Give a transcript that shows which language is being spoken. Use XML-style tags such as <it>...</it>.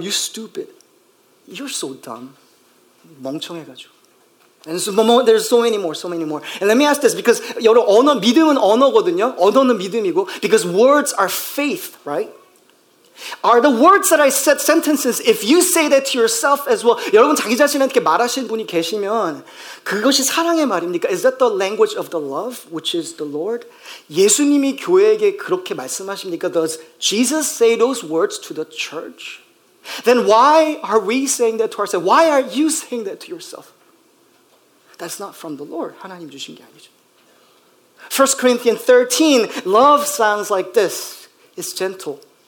<en>You stupid. You're so dumb.</en> <ko>멍청해가지고.</ko> <en>And so, there's so many more, so many more. And let me ask this, because</en> <ko>여러분, 언어, 믿음은 언어거든요. 언어는 믿음이고.</ko> <en>Because words are faith, right? Are the words that I said sentences, if you say that to yourself as well,</en> <ko>여러분, 자기 자신한테 말하신 분이 계시면, 그것이 사랑의 말입니까?</ko> <en>Is that the language of the love, which is the Lord?</en> <ko>예수님이 교회에게 그렇게 말씀하십니까?</ko> <en>Does Jesus say those words to the church? Then why are we saying that to ourselves? Why are you saying that to yourself? That's not from the Lord.</en> <ko>하나님 주신 게 아니죠.</ko> <en>1 Corinthians 13, love sounds like this. It's gentle.</en>